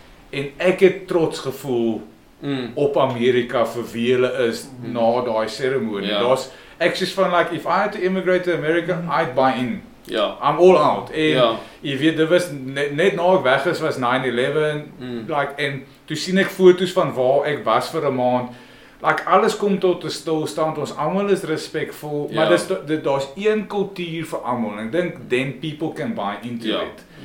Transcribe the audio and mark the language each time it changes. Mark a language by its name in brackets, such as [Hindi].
[Afrikaans] En ek het trots gevoel op Amerika vir wie hulle is na daai seremonie. Yeah. Daar's ek sê van [English] like if I had to immigrate to America, I'd buy in. Yeah. I'm all out. [Afrikaans] En jy weet, dit was net na ek weg is was 9/11 like en toe sien ek foto's van waar ek was vir 'n maand. Like alles kom tot 'n stilstand. Ons almal is respectful, maar daar's een kultuur vir almal. Ek dink [English] then people can buy into it.